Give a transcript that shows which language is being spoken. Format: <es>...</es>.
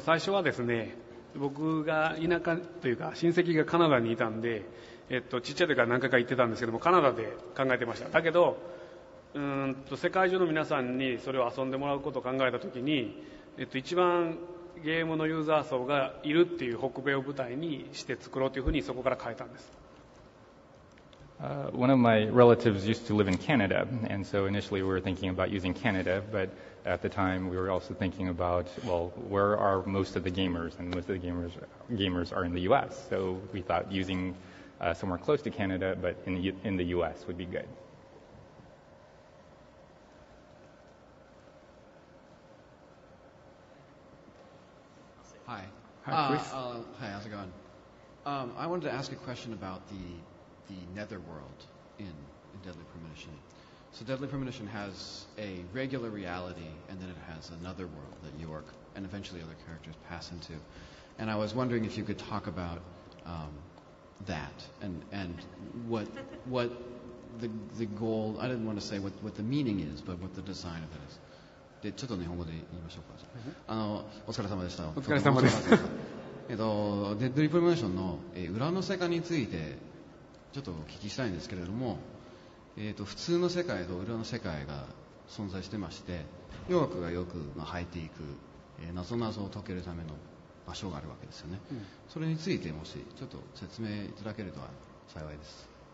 <ja>最初はですね、僕が田舎というか親戚がカナダにいたんで、ちっちゃい時から何回か行ってたんですけども、カナダで考えてました。だけど世界中の皆さんにそれを遊んでもらうことを考えた時に、一番ゲームのユーザー層がいるっていう北米を舞台にして作ろうというふうにそこから変えたんです。</ja> <en>One of my relatives used to live in Canada, and so initially we were thinking about using Canada, but at the time we were also thinking about, well, where are most of the gamers? And most of the gamers are in the U.S., so we thought using somewhere close to Canada, but in the U.S. would be good. Hi. Hi, how's it going? I wanted to ask a question about the netherworld in Deadly Premonition. So Deadly Premonition has a regular reality, and then it has another world that York and eventually other characters pass into. And I was wondering if you could talk about that and what the goal, I didn't want to say what the meaning is, but what the design of it is.</en> <ja>ちょっと日本語で言いましょうか。お疲れ様でした。お疲れ様です。 Deadly Premonition の裏の世界についてちょっとお聞きしたいんですけれども、普通の世界と裏の世界が存在してまして、ヨークがよく入っていく、謎々を解けるための場所があるわけですよね、うん、それについてもしちょっと説明いただけると幸いです。</ja>